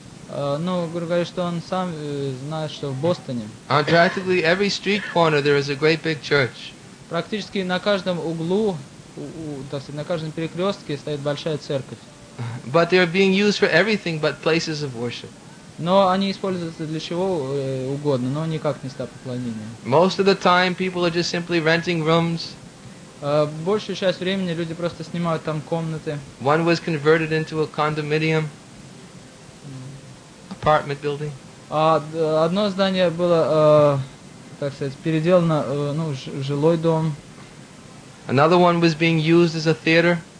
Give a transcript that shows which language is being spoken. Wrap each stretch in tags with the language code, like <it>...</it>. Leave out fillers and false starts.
<ru>Ну, говорю, что он сам знает, что в Бостоне.</ru> <en>Practically every street corner there is a great big church.</en> <ru>Практически на каждом углу, так сказать, на каждом перекрестке стоит большая церковь.</ru> <en>But they are being used for everything but places of worship.</en> <ru>Но они используются для чего угодно, но никак не места поклонения.</ru> <en>Most of the time people are just simply renting rooms.</en> <ru>Большую часть времени люди просто снимают там комнаты.</ru> <en>One was converted into a condominium. Apartment building.</en> <ru>Одно здание было, так сказать, переделано, ну, жилой дом.</ru> <en>Another one was being used as a theater.</en>